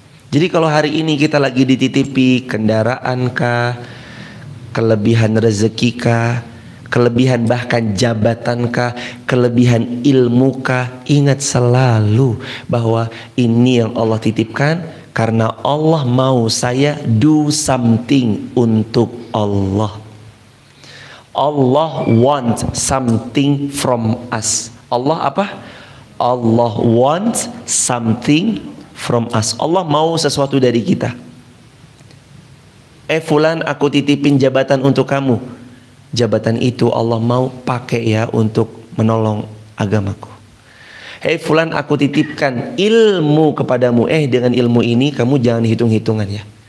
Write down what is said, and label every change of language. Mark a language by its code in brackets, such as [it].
[id] Jadi kalau hari ini kita lagi dititipi kendaraan kah, kelebihan rezeki kah, kelebihan bahkan jabatan kah, kelebihan ilmu kah, ingat selalu bahwa ini yang Allah titipkan karena Allah mau saya [en] do something [id] untuk Allah. [en] Allah want something from us. [id] Allah apa? [en] Allah want something from us. [id] Allah mau sesuatu dari kita. Eh fulan, aku titipin jabatan untuk kamu. Jabatan itu Allah mau pakai ya untuk menolong agamaku. Hei fulan, aku titipkan ilmu kepadamu. Eh dengan ilmu ini kamu jangan hitung-hitungan ya.